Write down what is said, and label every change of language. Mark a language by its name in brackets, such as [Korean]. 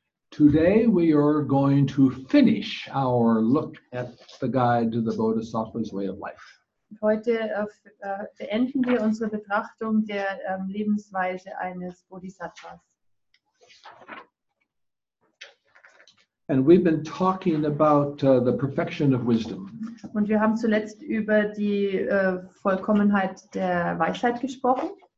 [English] Today we are going to finish our look at the guide to the Bodhisattva's way of life. [German] Heute beenden wir unsere Betrachtung der Lebensweise eines Bodhisattvas. [English] And we've been talking about the perfection of wisdom. [German] Und wir haben zuletzt über die Vollkommenheit der Weisheit gesprochen.